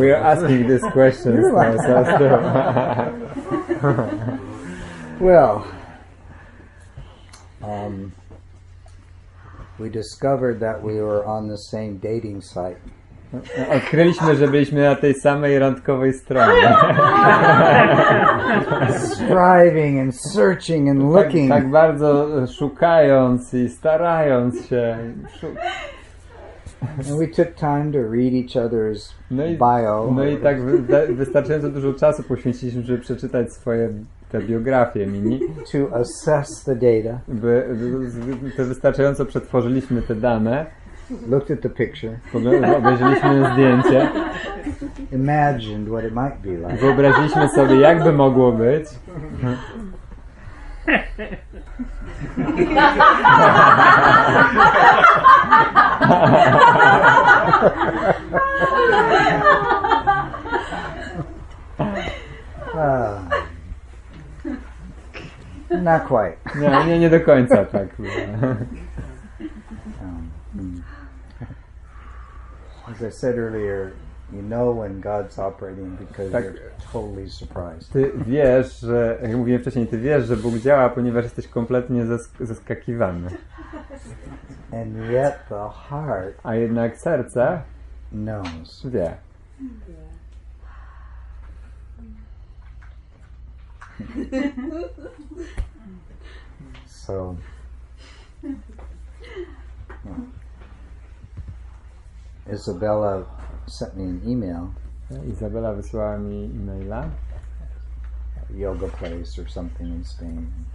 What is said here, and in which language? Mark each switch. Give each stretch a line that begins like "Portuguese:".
English: We are asking this question now, so I still... Well, we discovered that we were on the same dating site.
Polish: Odkryliśmy, że byliśmy na tej samej randkowej stronie.
English: Striving and searching and looking.
Polish: Tak, tak bardzo szukając i starając się.
English: And we took time to read each other's bio.
Polish: No i tak wystarczająco dużo czasu poświęciliśmy, żeby przeczytać swoje te biografie mini.
English: To assess the data.
Polish: Wystarczająco przetworzyliśmy te dane.
English: Looked at the picture.
Polish: Obejrzeliśmy zdjęcie.
English: Imagined what it might be like.
Polish: Wyobraziliśmy sobie, jak by mogło być.
English: Not quite.
Polish: Nie do końca tak.
English: As I said earlier, you know when God's operating because tak, you're totally surprised.
Polish: Ty wiesz, że, jak mówiłem wcześniej, ty wiesz, że Bóg działa, ponieważ jesteś kompletnie zaskakiwany.
English: And yet the heart.
Polish: A jednak serce
English: knows.
Polish: Wie.
English: So. Isabella sent me an email.
Polish: Isabella wysłała mi e-maila.
English: A yoga place or something in Spain.